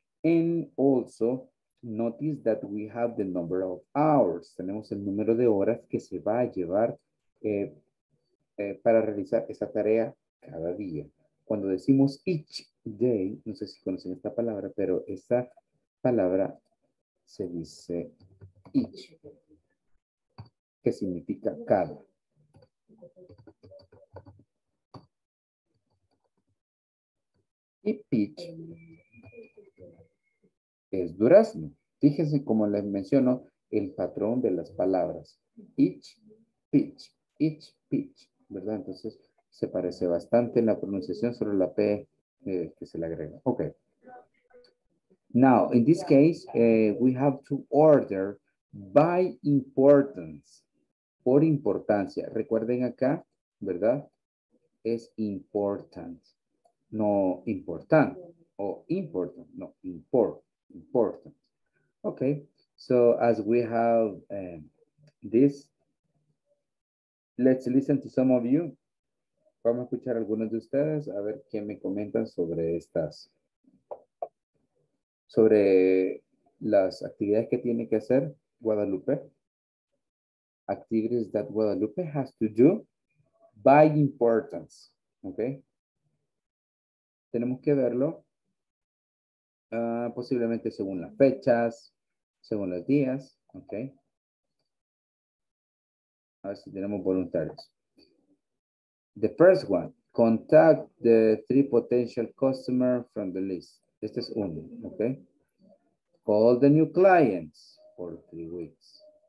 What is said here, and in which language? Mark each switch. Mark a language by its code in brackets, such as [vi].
[en] And also, notice that we have the number of hours. [es] Tenemos el número de horas que se va a llevar para realizar esa tarea cada día. Cuando decimos [en] each day, [es] no sé si conocen esta palabra, pero esta palabra se dice each, que significa cada. Y pitch es durazno. Fíjense como les menciono el patrón de las palabras. [en] Each pitch, ¿verdad? [es] Entonces se parece bastante en la pronunciación sobre la P que se le agrega. Ok. [en] Now, in this case, we have to order by importance. [es] Por importancia. Recuerden acá, ¿verdad? Es important. No important. O important. No, important. [en] Okay, so as we have this, let's listen to some of you. [es] Vamos a escuchar a algunos de ustedes, a ver qué me comentan sobre estas, sobre las actividades que tiene que hacer Guadalupe. [en] Activities that Guadalupe has to do by importance, okay? [es] Tenemos que verlo, posiblemente según las fechas, según los días, ok. A ver si tenemos voluntarios. [en] The first one, contact the 3 potential customers from the list. [es] Este es uno, [en] ok. Call the new clients for 3 weeks.